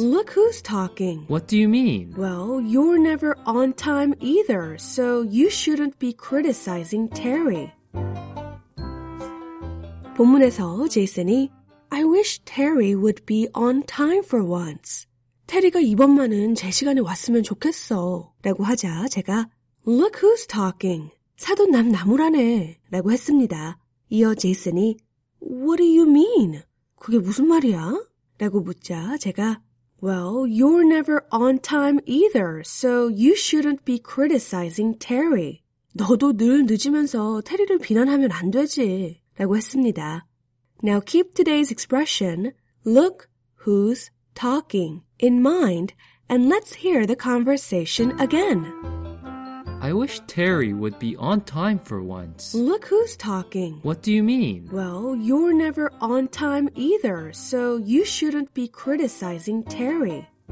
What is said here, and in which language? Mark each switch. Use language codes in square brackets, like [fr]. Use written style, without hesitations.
[en] Look who's talking. What do you mean? Well, you're never on time either, so you shouldn't be criticizing Terry. [ko] 본문에서 제이슨이 [en] I wish Terry would be on time for once. [ko] 테리가 이번만은 제 시간에 왔으면 좋겠어 라고 하자 제가 [en] Look who's talking. [ko] 사돈 남 나무라네 라고 했습니다. 이어 제이슨이 [en] What do you mean? [ko] 그게 무슨 말이야? 라고 묻자 제가 [en] Well, you're never on time either, so you shouldn't be criticizing Terry. [ko] 너도 늘 늦으면서 테리를 비난하면 안 되지 라고 했습니다. [en] Now keep today's expression, look who's talking, in mind, and let's hear the conversation again. I wish Terry would be on time for once. Look who's talking. What do you mean? Well, you're never on time either, so you shouldn't be criticizing Terry.